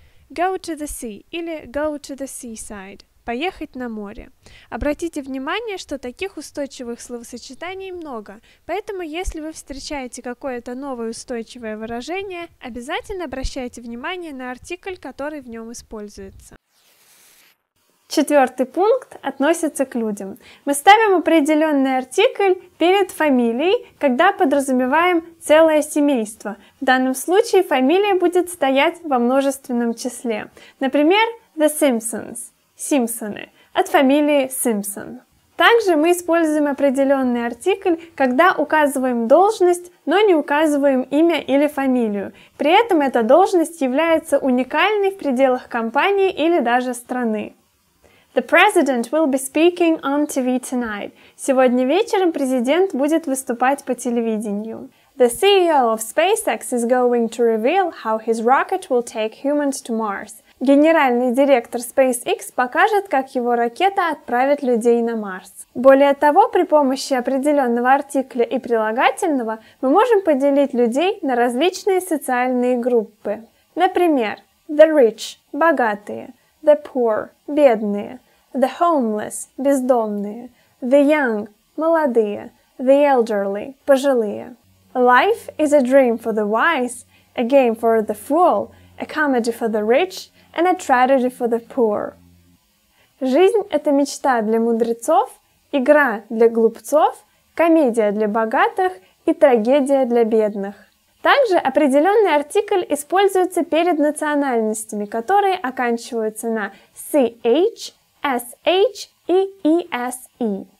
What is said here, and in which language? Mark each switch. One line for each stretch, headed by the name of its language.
English: Go to the sea или go to the seaside.
Russian: Поехать на море. Обратите внимание, что таких устойчивых словосочетаний много, поэтому если вы встречаете какое-то новое устойчивое выражение, обязательно обращайте внимание на артикль, который в нем используется. Четвертый пункт относится к людям. Мы ставим определенный артикль перед фамилией, когда подразумеваем целое семейство. В данном случае фамилия будет стоять во множественном числе. Например, The Simpsons – Симпсоны от фамилии Simpson. Также мы используем определенный артикль, когда указываем должность, но не указываем имя или фамилию. При этом эта должность является уникальной в пределах компании или даже страны.
English: The president will be speaking on TV tonight.
Russian: Сегодня вечером президент будет выступать по телевидению.
English: The CEO of SpaceX is going to reveal how his rocket will take humans to Mars.
Russian: Генеральный директор SpaceX покажет, как его ракета отправит людей на Марс. Более того, при помощи определенного артикля и прилагательного мы можем поделить людей на различные социальные группы.
English: Например, the rich – богатые. The poor – бедные. The homeless – бездомные. The young – молодые. The elderly – пожилые. Life is a dream for the wise, a game for the fool, a comedy for the rich, and a tragedy for the poor.
Russian: Жизнь – это мечта для мудрецов, игра для глупцов, комедия для богатых и трагедия для бедных. Также определенный артикль используется перед национальностями, которые оканчиваются на ch, sh и ese.